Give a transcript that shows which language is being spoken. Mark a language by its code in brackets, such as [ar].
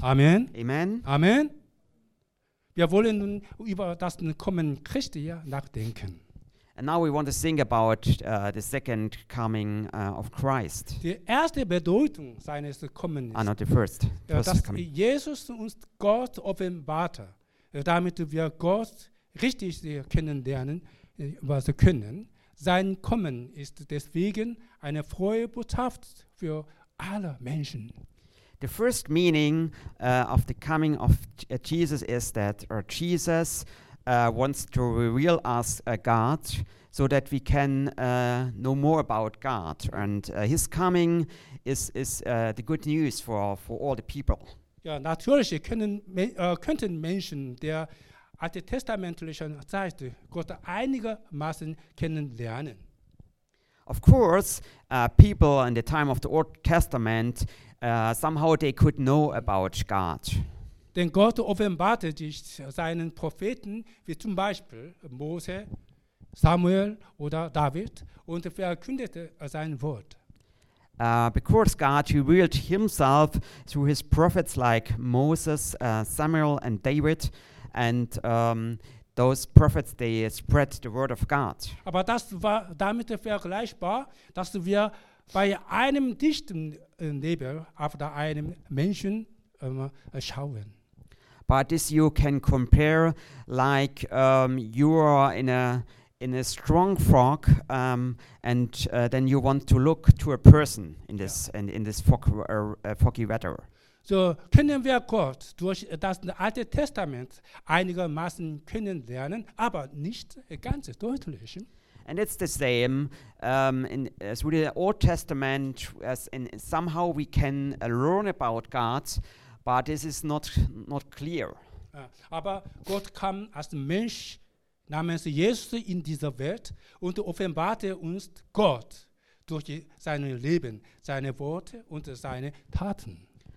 [de] Amen. Amen. Amen. Wir wollen nun über das Kommen Christi nachdenken. [en] And now we want to think about the second coming of Christ. [de] Die erste Bedeutung seines Kommens. [en] Ah, not the first. [de] Dass Jesus uns Gott offenbarte, damit wir Gott richtig kennenlernen, was wir können. Sein Kommen ist deswegen eine frohe Botschaft für alle Menschen. [en] The first meaning of the coming of Jesus is that Jesus wants to reveal us God, so that we can know more about God. And his coming is the good news for all the people. [de] Ja, natürlich könnten Menschen der alte testamentliche Zeit Gott einigermaßen kennenlernen. [en] Of course, people in the time of the Old Testament somehow they could know about God. [de] Denn Gott offenbarte sich seinen Propheten wie zum Beispiel Mose, Samuel oder David und verkündete sein Wort. [en] Because God revealed himself through his prophets like Moses, Samuel and David. And those prophets, they spread the word of God. [de] Aber das war damit vergleichbar, dass wir bei einem dichten Nebel auf einem Menschen schauen. [en] But this you can compare like you are in a strong fog and then you want to look to a person in this foggy weather. [de] So können wir Gott durch das Alte Testament einigermaßen kennenlernen, aber nicht ganz deutlich. [en] And it's the same through the Old Testament, as in somehow we can learn about God, but this is not clear. [de] Aber Gott kam als Mensch namens Jesus in diese Welt und offenbarte uns Gott durch sein Leben, seine Worte und seine Taten.